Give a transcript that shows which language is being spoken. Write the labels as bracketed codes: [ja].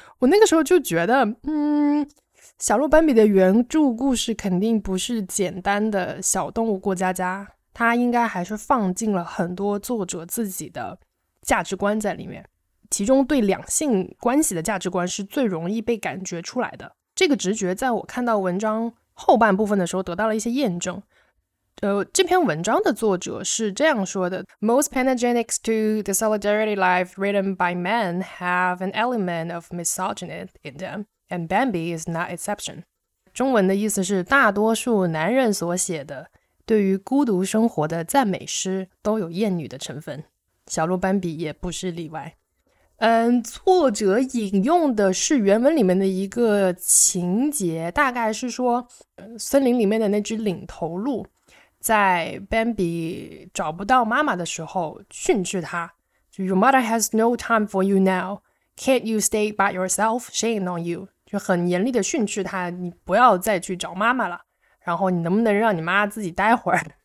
[zh] 我那个时候就觉得小鹿斑比的原著故事肯定不是简单的小动物过家家，它应该还是放进了很多作者自己的价值观在里面，其中对两性关系的价值观是最容易被感觉出来的。这个直觉在我看到文章后半部分的时候得到了一些验证。这篇文章的作者是这样说的， [en] Most panegyrics to the solidarity life written by men have an element of misogyny in them, and Bambi is not exception. [zh] 中文的意思是，大多数男人所写的对于孤独生活的赞美诗都有厌女的成分，小鹿斑比也不是例外。作者引用的是原文里面的一个情节，大概是说森林里面的那只领头鹿在 Bambi 找不到妈妈的时候训斥他， [en] Your mother has no time for you now, can't you stay by yourself, shame on you, [zh] 就很严厉的训斥他，你不要再去找妈妈了，然后你能不能让你妈自己待会儿。